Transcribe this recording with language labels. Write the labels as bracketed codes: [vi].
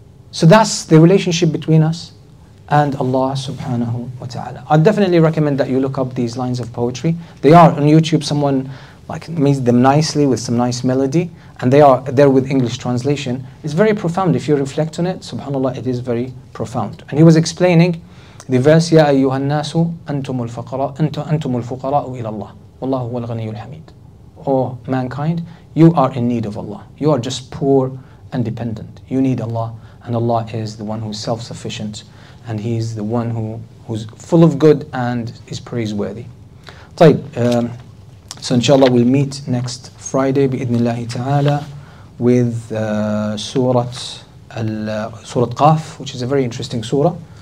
[en] So that's the relationship between us and Allah subhanahu wa ta'ala. I definitely recommend that you look up these lines of poetry. They are on YouTube. Someone like made them nicely with some nice melody, and they are there with English translation. It's very profound. If you reflect on it, subhanAllah, it is very profound. And he was explaining the verse, [ar] يَا أَيُّهَا النَّاسُ أَنْتُمُ الْفَقَرَاءُ أَنْتُمُ الْفُقَرَاءُ إِلَى اللَّهِ وَاللَّهُ هُوَ الْغَنِيُّ الْحَمِيدُ. [en] Oh, mankind, you are in need of Allah. You are just poor and dependent. You need Allah, and Allah is the one who is self-sufficient, and He is the one who is full of good and is praiseworthy. طيب, so inshallah we'll meet next Friday, [ar] بإذن الله تعالى, [en] with Surah Qaf, which is a very interesting surah.